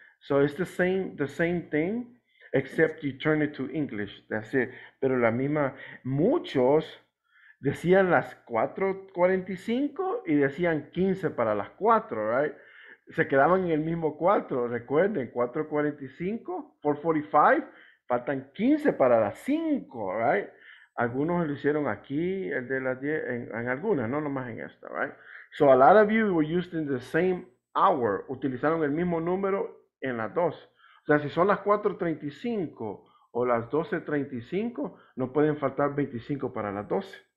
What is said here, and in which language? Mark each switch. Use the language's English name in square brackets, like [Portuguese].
[English] So it's the same thing, except you turn it to English. That's it. [Spanish] Pero la misma, muchos decían las 4:45 y decían 15 para las 4, [English] right? [Spanish] Se quedaban en el mismo 4. Recuerden, 4:45, 4:45, faltan 15 para las 5, [English] right? [Spanish] Algunos lo hicieron aquí, el de las 10, en algunas, no nomás en esta, [English] right? So a lot of you were used in the same hour. [Spanish] Utilizaron el mismo número en las dos. O sea, si son las 4:35 o las 12:35, no pueden faltar 25 para las 12.